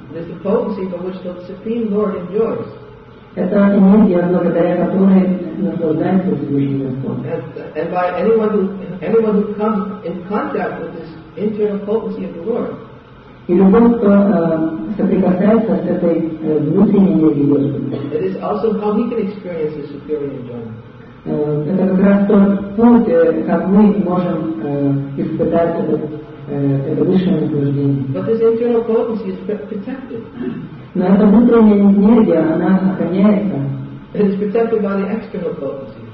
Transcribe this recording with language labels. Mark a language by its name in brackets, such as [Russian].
[English] This is the potency by which the Supreme Lord endures. [Russian] Это энергия, благодаря которой наслаждается Всевышним Господом. [English] And by anyone who comes in contact with this internal potency of the Lord. [Russian] И любой, кто соприкасается с этой внутренней энергией Господа. [English] It is also how he can experience the superior enjoyment. [Russian] Это как раз тот путь, как мы можем испытать это высшее наслаждение. [English] But this internal potency is protected. [Russian] Но эта внутренняя энергия, она охраняется. [English] It is protected by the external potency.